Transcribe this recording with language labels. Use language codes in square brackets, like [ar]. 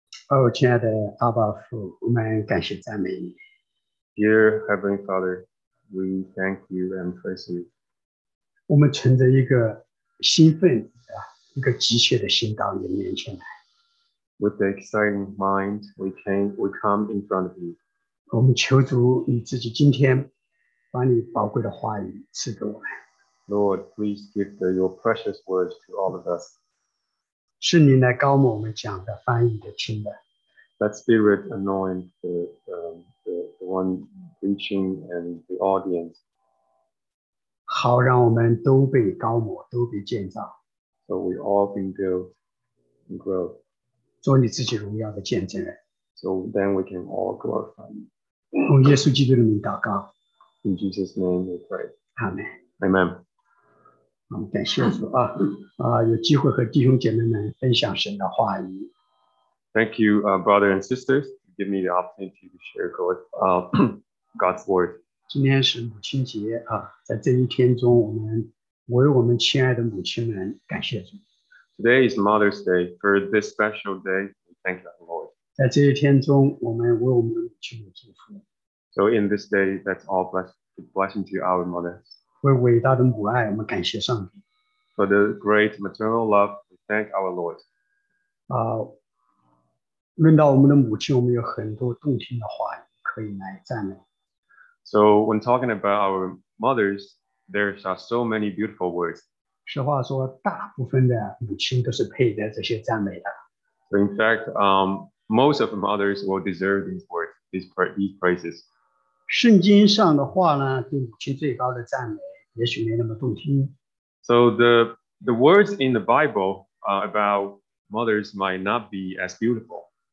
[zh] 哦，亲爱的阿爸父，我们感谢赞美你。 [en] Dear Heavenly Father, we thank you and praise you. [zh] 我们存着一个兴奋啊，一个急切的心到你面前来。 [en] With the exciting mind, we come in front of you. [zh] 我们求主你自己今天把你宝贵的话语赐给我们。 [en] Lord, please give your precious words to all of us. [zh] 是你来高牧我们讲的翻译的听的。 [en] Let Spirit anoint the one preaching and the audience. [zh] 好，让我们都被高牧，都被建造。 [en] So we all been built and grow. [zh] 做你自己荣耀的见证人。 [en] So then we can all glorify you. [zh] 用耶稣基督的名祷告。 [en] In Jesus' name we pray. Amen. Amen. [zh] 我们感谢主啊，有机会和弟兄姐妹们分享神的话语。 [en] Thank you, brother and sisters, give me the opportunity to share God's word. [zh] 今天是母亲节啊，在这一天中，我们为我们亲爱的母亲们感谢主。 [en] Today is Mother's Day. For this special day, we thank the Lord. [zh] 在这一天中，我们为我们母亲们祝福。 [en] So in this day, that's all blessing to our mothers. [zh] 为伟大的母爱，我们感谢上帝。 [en] For the great maternal love, we thank our Lord. [zh] 论到我们的母亲，我们有很多动听的话可以来赞美。 [en] So when talking about our mothers, there are so many beautiful words. [zh] 实话说，大部分的母亲都是配得这些赞美的。 [en] So in fact, most of the mothers will deserve these words, these praises. [zh] 圣经上的话呢，对母亲最高的赞美，也许没那么动听。 [en] So the words in the Bible about mothers might not be as beautiful.